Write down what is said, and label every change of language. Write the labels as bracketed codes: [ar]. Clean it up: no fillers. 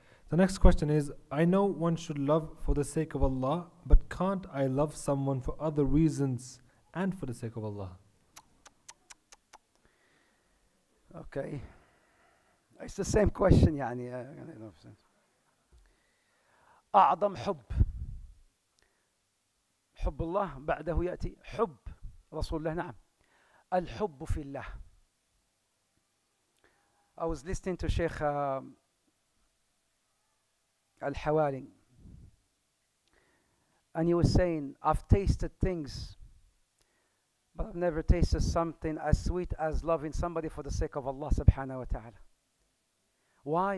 [en] The next question is, I know one should love for the sake of Allah, but can't I love someone for other reasons and for the sake of Allah? Okay. It's the same question, yani. [ar] أعظم حب حب الله بعده يأتي حب رسول الله نعم الحب في الله. [en] I was listening to Sheikh Al-Hawali and he was saying, I've tasted things but I've never tasted something as sweet as loving somebody for the sake of Allah subhanahu wa ta'ala. Why?